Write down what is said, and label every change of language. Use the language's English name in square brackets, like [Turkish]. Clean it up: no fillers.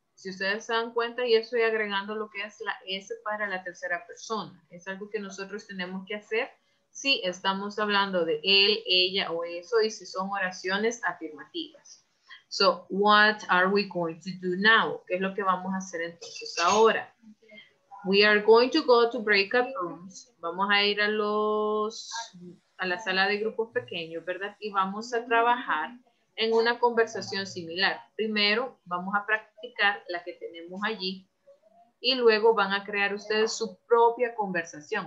[Spanish] Si ustedes se dan cuenta, yo estoy agregando lo que es la S para la tercera persona. Es algo que nosotros tenemos que hacer si estamos hablando de él, ella o eso, y si son oraciones afirmativas. [English] So, what are we going to do now? [Spanish] ¿Qué es lo que vamos a hacer entonces ahora? [English] We are going to go to breakout rooms. [Spanish] Vamos a ir a la sala de grupos pequeños, ¿verdad? Y vamos a trabajar en una conversación similar. Primero vamos a practicar la que tenemos allí y luego van a crear ustedes su propia conversación.